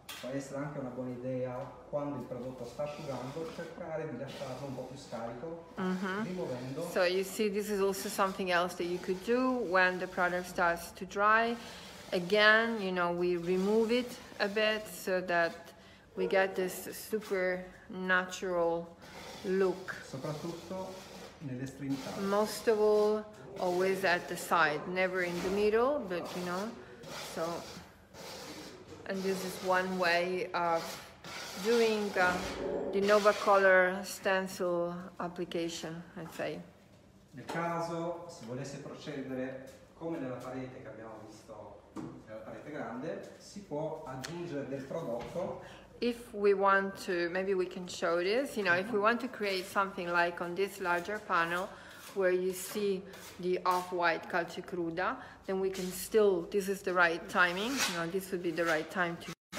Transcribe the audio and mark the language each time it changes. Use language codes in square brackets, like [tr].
[it] Può essere anche una buona idea, quando il prodotto sta asciugando, cercare di lasciarlo un po' più scarico, rimuovendo. [en] So you see, this is also something else that you could do when the product starts to dry. Again, you know, we remove it a bit so that we get this super natural look. [it] Soprattutto nell'estremità. [en] Most of all, always at the side, never in the middle, but you know, so. And this is one way of doing the Novacolor stencil application, I'd say. [it] Nel caso si volesse procedere come nella parete che abbiamo visto, nella parete grande, si può aggiungere del prodotto. [en] If we want to, maybe we can show this, you know, if we want to create something like on this larger panel where you see the off-white CalceCruda, then we can still, this is the right timing, you know, this would be the right time to.